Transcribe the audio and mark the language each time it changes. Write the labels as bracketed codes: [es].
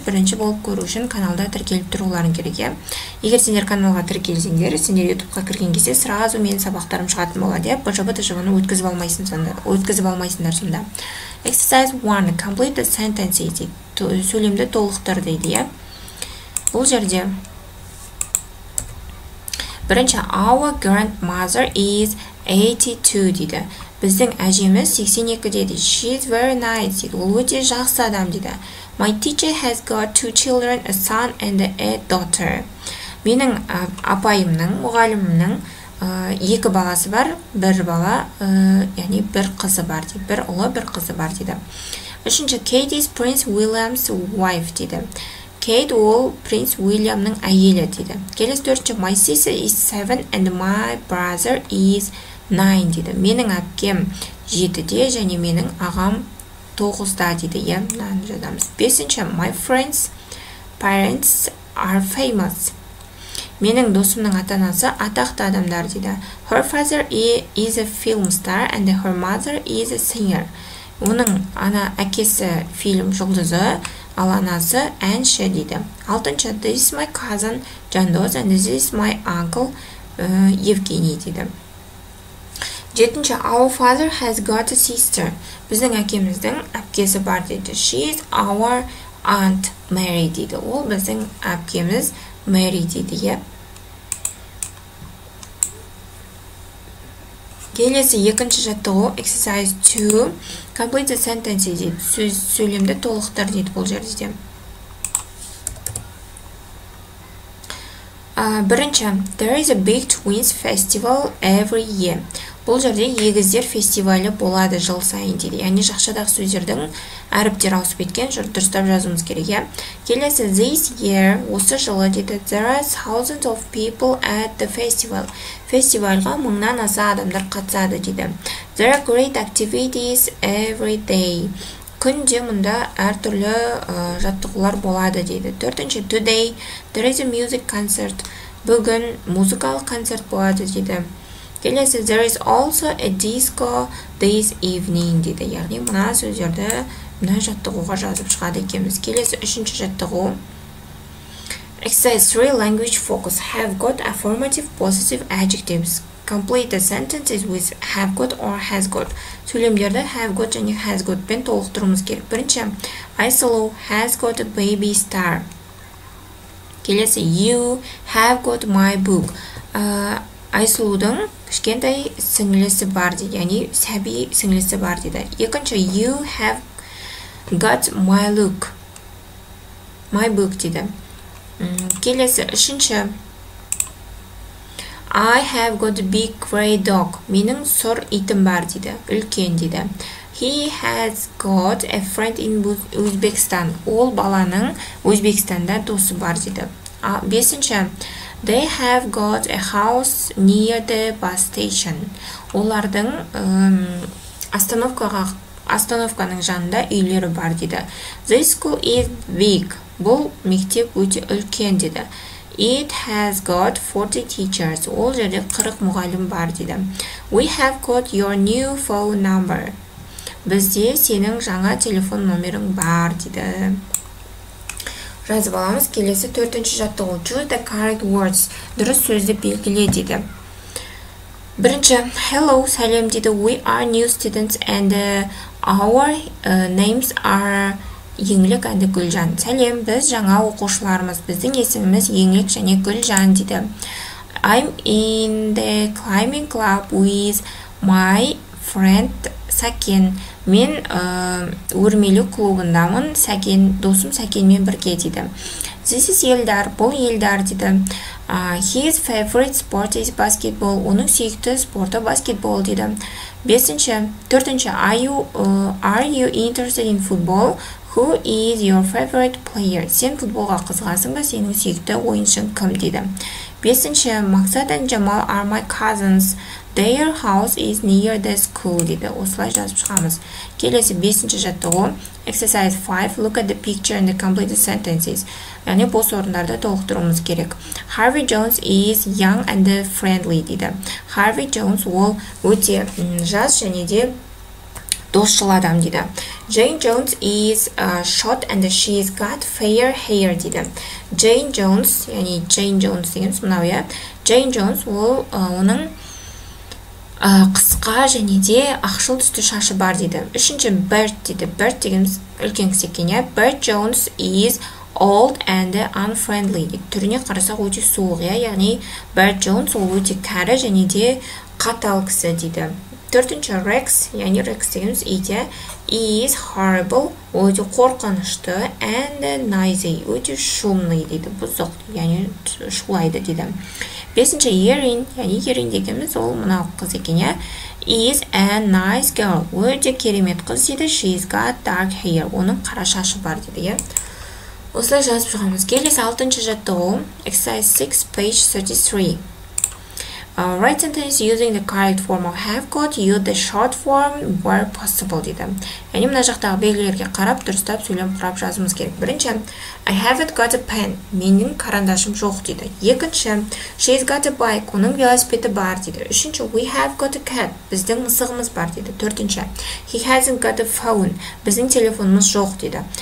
[kk] Бірінші болып көру үшін каналда тіркеліп тұруларың керек. Егер сендер каналға тіркелсеңдер, сендер YouTube-қа кірген кезде сразу менің сабақтарым шығатын болады. Бұл жобыны өткізіп алмайсыңдар сонда. [en] Exercise 1. Complete the sentence. [kk] Сөйлемді толықтыр дейді. Бұл жерде. Бірінші, [en] our grandmother is 82 [kk] дейді. Біздің әжеміз 82 дейді. [en] She's very nice. [kk] Ол өте жақсы адам дейді. [en] My teacher has got 2 children, a son and a daughter. [kk] Менің апайымның, мұғалімімнің екі баласы бар. Бір бала, яғни бір қызы бар дейді. Бір ұлы, бір қызы бар дейді. Үшінші, [en] Katie's Prince William's wife [kk] дейді. Kate ол Prince William-ның әйелі дейді. Келесі төртінші, [en] my sister is 7 and my brother is 9 [kk] дейді. Менің әпкем 7-де және менің ағам 9-да дейді. Жадамыз. [en] Бесінші, my friends' parents are famous. [kk] Менің досымның атанасы атақты адамдар дейді. [en] Her father is a film star and her mother is a singer. [kk] Оның ана әкесі фильм жұлдызы, ал анасы әнші дейді. Алтыншы, [en] this is my cousin Жандос and this is my uncle Евгений [kk] дейді. [en] Жетінші, our father has got a sister. [kk] Біздің әкеміздің әпкесі бар дейді. [en] She is our aunt Mary [kk] дейді. Ол біздің әпкеміз Mary дейді. Келесі екінші жаттығу, [en] exercise 2, complete the sentence [kk] дейді, сөйлемді толықтыр дейді бұл жерде. [en] Бірінші, there is a big twins festival every year. [kk] Бұл жерде егіздер фестивалі болады жыл сайын дейді. Яғни жақшадағы сөздердің әріптер ауысып кеткен, дұрыстап жазуымыз керек. Келесі, [en] this year, [kk] осы жылы дейді, [en] there are thousands of people at the festival. [kk] Фестивальға мыңнан аса адамдар қатысады дейді. [en] There are great activities every day. [kk] Күнде мұнда әртүрлі жаттығулар болады дейді. Төртінші, [en] today, there is a music concert. [kk] Бүгін музыкалық концерт болады дейді. Келесі, [en] there is also a disco this evening [kk] дейді. Яғни мұна сөздерді мұна жаттығуға жазып шығады екеміз. Келесі, үшінші жаттығу. [en] Exercise 3, language focus. Have got affirmative, positive adjectives. Complete the sentences with have got or has got. [kk] Сөйлемдерді have got және has got пен толықтыруымыз керек. Бірінші, [en] I saw has got a baby star. Келесі, you have got my book. [kk] Айсұлудың кішкентай сіңілісі бар дейді, яғни сәби сіңілісі бар дейді. Екінші, [en] you have got my book [kk] дейді. Келесі, үшінші, [en] I have got a big grey dog. [kk] Менің сұр итім бар дейді, үлкен дейді. [en] He has got a friend in Uzbekistan. [kk] Ол баланың Өзбекстанда досы бар дейді. Бесінші, [en] they have got a house near the bus station. [kk] Олардың остановканың жанында үйлері бар дейді. [en] This school is big. [kk] Бұл мектеп өте үлкен дейді. [en] It has got 40 teachers. [kk] Ол жерде 40 мұғалім бар дейді. [en] We have got your new phone number. [kk] Бізде сенің жаңа телефон номерің бар дейді. Жазып аламыз. Келесі төртінші жаттығу. [en] Choose the correct words. [kk] Дұрыс сөзді белгіле дейді. Бірінші, [en] hello, [kk] сәлем дейді. [en] We are new students and our names are Еңлік әнді Гүлжан. [kk] Сәлем, біз жаңа оқушыларымыз. Біздің есіміміз Еңлік және Гүлжан дейді. [en] I'm in the climbing club with my friend Сәкен. [kk] Мен өрмелі клубындамын, Сәкен, досым Сәкенмен бірге дейді. [en] This is Елдар, [kk] бұл Елдар дейді. [en] His favorite sport is basketball. [kk] Оның сүйікті спорты basketball дейді. Бесінші, төртінші, [en] are you interested in football? Who is your favorite player? [kk] Сен футболға қызғасың ба, сенің сүйікті ойыншың кім дейді. Бесінші, [en] Мақсат and Jamal are my cousins. Their house is near the school, [kk] дейді. Осылай жазып шығамыз. Келесі, бесінші жаттығу. [en] Exercise 5. Look at the picture and the completed sentences. [kk] Яғни, бос орындарды толықтыруымыз керек. [en] Harvey Jones is young and friendly, [kk] дейді. Harvey Jones ол өте жас және де досшыл адам, дейді. [en] Jane Jones is short and she has got fair hair, [kk] дейді. Jane Jones, яғни Jane Jones деген сұмынау, я. Jane Jones ол оның қысқа және де ақшыл түсті шашы бар, дейді. Үшінші, Bert, дейді. Bert дегеніміз үлкен кісі екен, [en] yeah? Bert Jones is old and unfriendly, [kk] дейді. Түріне қарасақ өте суық, [en] yeah? [kk] Яғни Bert Jones ол өте кәрі және де қатал кісі, дейді. Төртінші, Rex, яғни Rex дегеніміз үйде, [en] is horrible, [kk] өте қорқынышты, [en] and noisy, [kk] өте шумлы, дейді. Бұзық, яғни шулайды, дейді. Бесінші, Erin, яғни Erin дегеніміз ол мынау қыз екен, [en] is a nice girl, [kk] өте керемет қыз, дейді. [en] She's got dark hair, [kk] оның қара шашы бар, дейді. Осылай жазып шығамыз. Келесі, алтыншы жаттығу, [en] exercise 6, page 33. Write sentences using the correct form of have got, use the short form where possible, [kk] дейді. Яғни мына жақтағы белгілерге қарап, дұрыстап сөйлем құрап жазуымыз керек. Бірінші, [en] I haven't got a pen, [kk] менің карандашым жоқ, дейді. Екінші, [en] she's got a bike, [kk] оның велосипеді бар, дейді. Үшінші, [en] we have got a cat, [kk] біздің мысығымыз бар, дейді. Төртінші, [en] he hasn't got a phone, [kk] біздің телефонымыз жоқ, дейді.